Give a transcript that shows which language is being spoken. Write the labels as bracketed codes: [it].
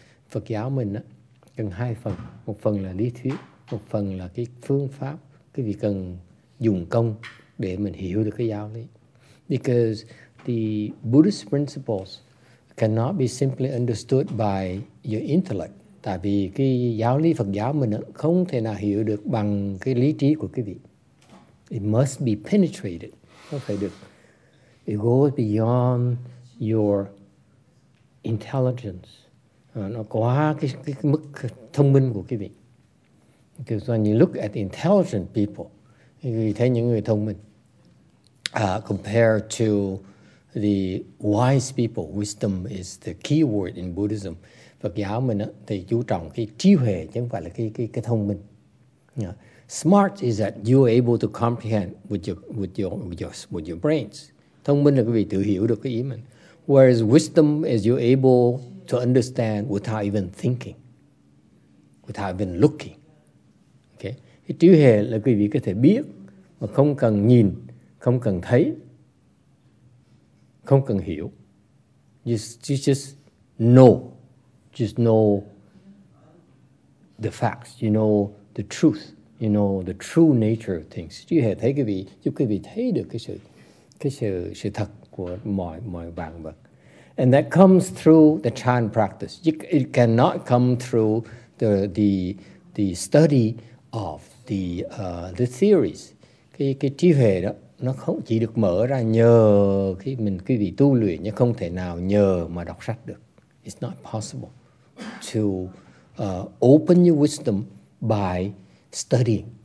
[vi] Phật giáo mình á, cần hai phần, một phần là lý thuyết, một phần là cái phương pháp, cái việc cần dùng công để mình hiểu được cái giáo lý. [en] Because the Buddhist principles cannot be simply understood by your intellect. [vi] Tại vì cái giáo lý Phật giáo mình không thể nào hiểu được bằng cái lý trí của quý vị. [en] It must be penetrated. [vi] Nó phải được. [en] It goes beyond your intelligence. [vi] Nó quá cái mức thông minh của quý vị. [en] Because when you look at intelligent people, you [vi] thấy những người thông minh [en] compared to the wise people. Wisdom is the key word in Buddhism. [vi] Phật giáo mình á, thì chú trọng cái trí huệ chứ không phải là cái thông minh. [en] Yeah. Smart is that you are able to comprehend with your brains. [vi] Thông minh là quý vị tự hiểu được cái ý mình. [en] Whereas wisdom is you able to understand without even thinking, without even looking. Okay. [vi] Cái trí huệ là quý vị có thể biết mà không cần nhìn, không cần thấy, không cần hiểu. [en] You just know the facts, you know the truth, you know the true nature of things. [vi] Chứ hề thấy cái vị, giúp cái vị thấy được cái sự thật của mọi vạn vật. [en] And that comes through the Chan practice. It cannot come through the study of the theories. [vi] Cái trí huệ đó nó không chỉ được mở ra nhờ khi mình cái vị tu luyện, nhưng không thể nào nhờ mà đọc sách được. [en] It's not possible to open your wisdom by studying.